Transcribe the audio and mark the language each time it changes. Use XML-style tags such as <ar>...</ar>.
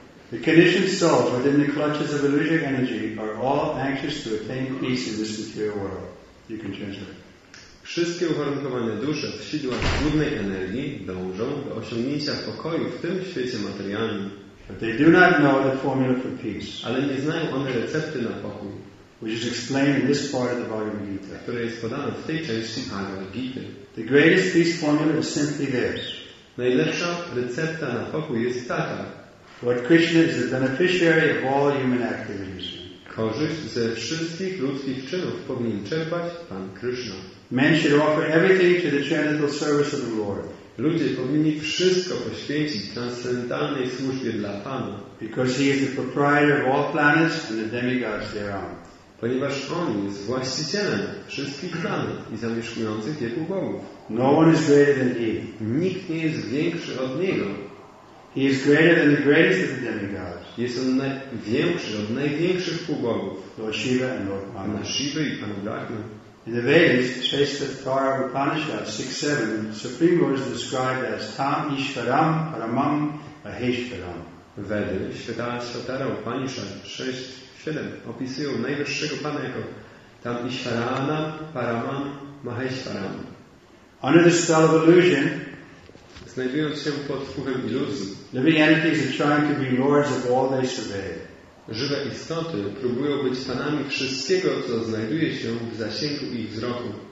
<en>The conditioned souls within the clutches of illusory energy are all anxious to attain peace in this material world. You can translate.</en> <pl>Wszystkie uwarunkowane dusze w sidłach trudnej energii dążą do osiągnięcia pokoju w tym świecie materialnym.</pl> <en>But they do not know the formula for peace.</en> <pl>Ale nie znają one recepty na pokój,</pl> <en>which is explained in this part of the Bhagavad Gita.</en> <pl>Które jest podane w tej części Bhagavad Gita.</pl> <en>The greatest peace formula is simply this.</en> <pl>Najlepsza recepta na pokój jest taka.</pl> <en>Lord Krishna is the beneficiary of all human activities.</en> <pl>Korzyść ze wszystkich ludzkich czynów powinien czerpać Pan Krishna.</pl> <en>Men should offer everything to the transcendental service of the Lord.</en> <pl>Ludzie powinni wszystko poświęcić transcendentalnej służbie dla Pana.</pl> <en>Because He is the proprietor of all planets and the demigods thereon.</en> <pl>Ponieważ On jest właścicielem wszystkich planet i zamieszkujących je półbogów.</pl> <en>No one is greater than He.</en> <pl>Nikt nie jest większy od Niego.</pl> <en>He is greater than the greatest of the demigods.</en> <pl>Jest On największy od największych półbogów.</pl> <en>Lord Shiva and Lord Brahma.</en> <pl>Pana Shiva i Pana Brahma.</pl> <en>In the Vedas, Shastra Upanishad 6-7, the Supreme Lord is described as Tam Ishvaram Paramam Maheshvaram.</en> <pl>Vedy, Shastra Upanishad 6-7, opisują Najwyższego Pana jako Tam Ishvaranam Paramam Maheshvaram.</pl> <en>Under the spell of illusion,</en> <pl>znajdując się pod wpływem iluzji,</pl> <en>living entities are trying to be lords of all they survey.</en> <pl>Żywe istoty próbują być panami wszystkiego, co znajduje się w zasięgu ich wzroku.</pl>